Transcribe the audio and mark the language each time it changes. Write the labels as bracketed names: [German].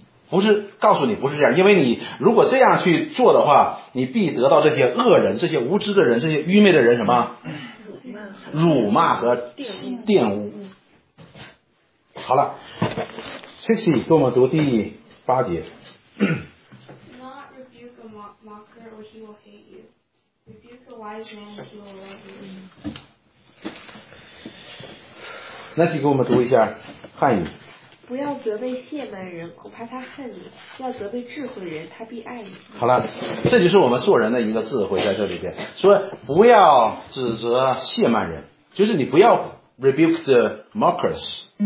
[Chinese] 不是告诉你不是这样，因为你如果这样去做的话，你必得到这些恶人、这些无知的人、这些愚昧的人什么辱骂和玷污。好了，谢谢，给我们读第八节。 [English] Not rebuke a mocker or he will hate you. Rebuke a wise man and he will love you. [Chinese] 那请给我们读一下汉语。不要责备亵慢人，恐怕他恨你；要责备智慧人，他必爱你。好了，这就是我们做人的一个智慧在这里边。说不要指责亵慢人，就是你不要 [English] rebuke the mockers。